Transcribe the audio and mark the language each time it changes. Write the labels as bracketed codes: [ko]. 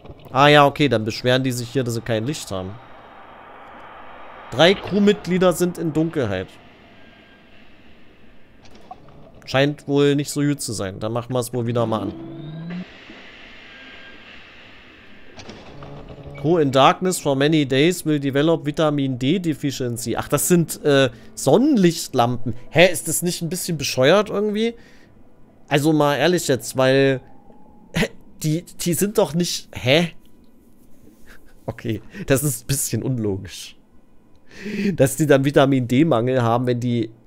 [de] Ah ja, okay, dann beschweren die sich hier, dass sie kein Licht haben. 3 Crewmitglieder sind in Dunkelheit. Scheint wohl nicht so gut zu sein. Dann machen wir es wohl wieder mal an. [en] Crew in Darkness for many days will develop Vitamin D Deficiency. [de] Ach, das sind Sonnenlichtlampen. Hä, ist das nicht ein bisschen bescheuert irgendwie? Also mal ehrlich jetzt, weil... Die sind doch nicht... Hä? Okay, das ist ein bisschen unlogisch. Dass die dann Vitamin D-Mangel haben, wenn die...